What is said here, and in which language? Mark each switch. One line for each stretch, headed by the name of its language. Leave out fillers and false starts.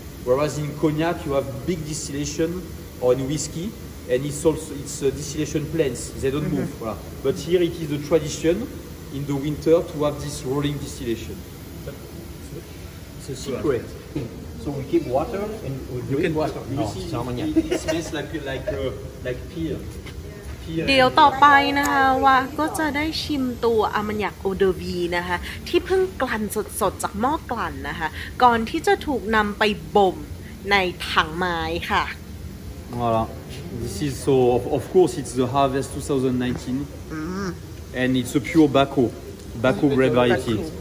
English: Whereas in Cognac, you have big distillation or in whiskey, and it's also it's distillation plants. They don't move. Voilà. But here it is the tradition in the winter to have this rolling distillation. It's a secret. So we keep water and we drink water. No, you see, Armagnac. It smells like pear.
Thai: เดี๋ยวต่อไปนะคะว่าก็จะได้ชิมตัวอาร์มาญักโอเดอร์วีนะคะที่เพิ่งกลั่นสดๆจากหม้อกลั่นนะคะก่อนที่จะถูกนำไปบ่มในถังไม้ค่ะ
French: Voilà.
English: This is so of course it's the harvest 2019 and it's a pure Baco, Baco grape variety.